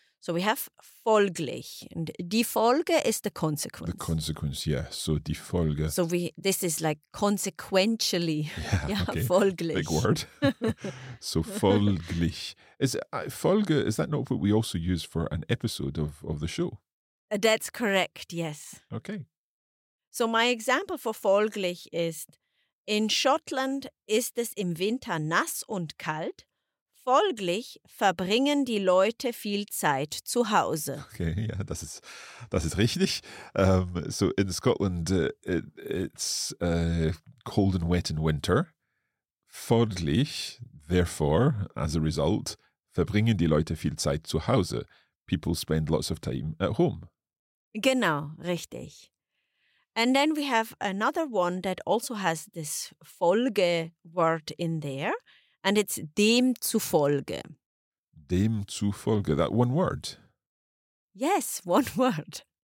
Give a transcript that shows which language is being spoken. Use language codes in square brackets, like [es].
[en] So we have folglich, and die Folge is the consequence. The consequence, yeah. So die Folge. So this is like consequentially. Yeah, okay. Folglich. Big word. So folglich. Is it, Folge, is that not what we also use for an episode of the show? That's correct, yes. Okay. So my example for folglich is, [de] in Schottland ist es im Winter nass und kalt. Folglich verbringen die Leute viel Zeit zu Hause. Okay, ja, das ist richtig. [en] So in Scotland, it's cold and wet in winter. [de] Folglich, [en] therefore, as a result, [de] verbringen die Leute viel Zeit zu Hause. [en] People spend lots of time at home. [de] Genau, richtig. [en] And then we have another one that also has this Folge word in there. And it's dem zufolge. Dem zufolge, that one word? Yes, one word.